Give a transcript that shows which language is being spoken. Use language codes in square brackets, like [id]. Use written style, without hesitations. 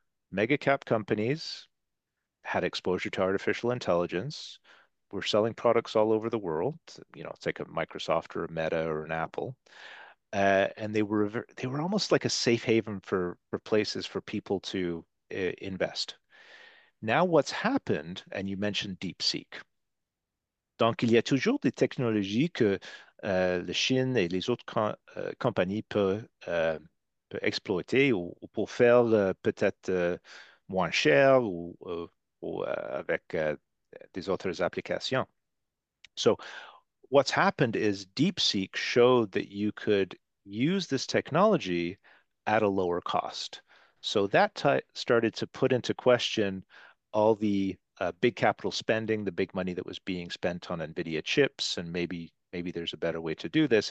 [en] Mega cap companies had exposure to artificial intelligence, were selling products all over the world, you know, take a Microsoft or a Meta or an Apple, and they were almost like a safe haven for places for people to invest. Now what's happened, and you mentioned DeepSeek. [fr] Donc, il y a toujours des technologies que la Chine et les autres compagnies peuvent exploiter ou pour faire peut-être moins cher ou avec des autres applications. [en] So, what's happened is DeepSeek showed that you could use this technology at a lower cost. So, that started to put into question all the big capital spending, the big money that was being spent on Nvidia chips, and maybe there's a better way to do this.